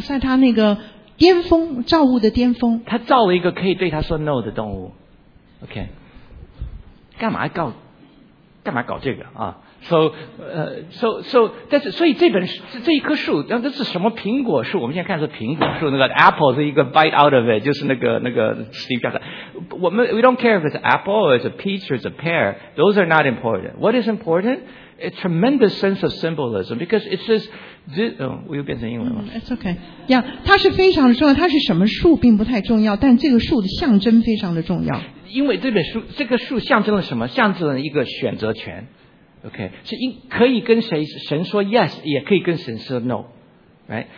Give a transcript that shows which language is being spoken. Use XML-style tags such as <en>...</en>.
<zh>在他那个巅峰造物的巅峰，他造了一个可以对他说 no 的动物。OK， 干嘛搞这个啊？所以这一棵树，那这是什么苹果树？我们现在看是苹果树，那个 apple 是一个 bite out of it， 就是那个 Steve Jobs。</zh> <en>We don't care if it's apple, or it's a peach, or it's a pear. Those are not important. What is important? A tremendous sense of symbolism because it says this.</en> <zh>Oh, 我又变成英文了。</zh> <en>It's okay.</en> <zh>Yeah, 它是非常的重要。它是什么树并不太重要，但这个树的象征非常的重要。因为这个树象征了什么？象征了一个选择权。OK， 是可以跟神说 yes， 也可以跟神说 no， right？</zh>